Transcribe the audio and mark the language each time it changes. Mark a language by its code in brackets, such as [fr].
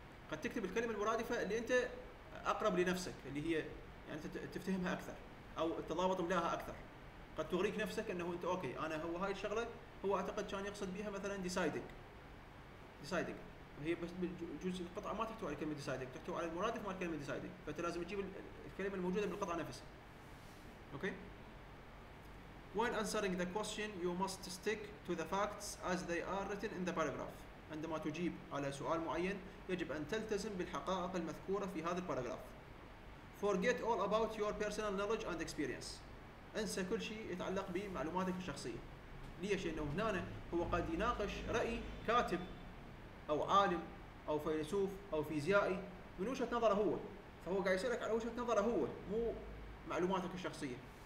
[ar] قد تكتب الكلمة المرادفة اللي أنت أقرب لنفسك اللي هي يعني تفتهمها أكثر أو تضابط ملاها أكثر. قد تغريك نفسك أنه أنت أوكي أنا هو هاي الشغلة هو أعتقد كان يقصد بها مثلاً deciding هي بس بالجزء القطعة ما تحتوي على كلمة deciding تحتوي على المرادف مال كلمة deciding فأنت لازم تجيب الكلمة الموجودة بالقطعة نفسها. أوكي. [en] When answering the question you must stick to the facts as they are written in the paragraph. [ar] عندما تجيب على سؤال معين يجب أن تلتزم بالحقائق المذكورة في هذا الباراجراف. [en] Forget all about your personal knowledge and experience. [ar] انسى كل شيء يتعلق بمعلوماتك الشخصية. ليش؟ لأنه هنا هو قد يناقش رأي كاتب أو عالم أو فيلسوف أو فيزيائي من وجهة نظره هو، فهو قاعد يسألك على وجهة نظره هو مو معلوماتك الشخصية.